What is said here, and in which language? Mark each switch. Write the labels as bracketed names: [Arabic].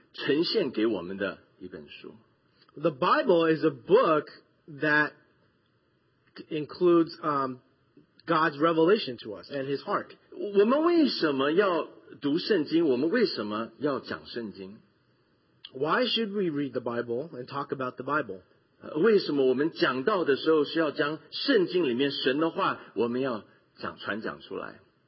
[Chinese] 圣经是一本神将他的心意呈现给我们的一本书。 [English] The Bible is a book that includes God's revelation to us and his heart. [Chinese] 我们为什么要读圣经?我们为什么要讲圣经? [English] Why should we read the Bible and talk about the Bible? [Chinese] 为什么我们讲到的时候需要将圣经里面神的话我们要讲传讲出来?